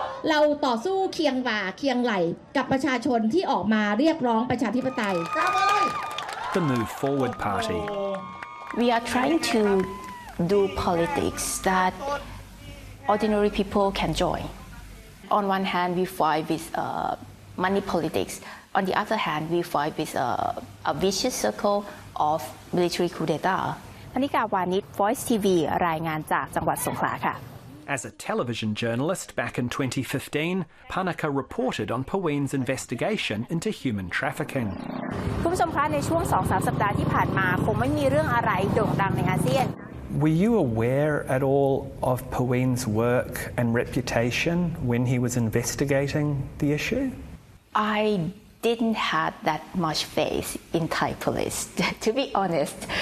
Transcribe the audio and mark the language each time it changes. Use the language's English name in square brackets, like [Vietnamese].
[Thai] เราต่อสู้เคียงบ่าเคียงไหล่กับประชาชนที่ออกมาเรียกร้องประชาธิปไตย [English] The Move Forward Party. We are trying to do politics that ordinary people can join. On one hand, we fight with money politics. On the other hand, we fight with a vicious circle of military coup d'etat. [Thai] พนิกาวานิช Voice TV รายงานจากจังหวัดสงขลาค่ะ [English] As a television journalist back in 2015, Panaka reported on Pewin's investigation into human trafficking. [Thai] คุณผู้ชมคะในช่วง 2-3 สัปดาห์ที่ผ่านมาคงไม่มีเรื่องอะไรโด่งดังในอาเซียน [English] Were you aware at all of Pewin's work and reputation when he was investigating the issue? I didn't have that much faith in Thai police, to be honest.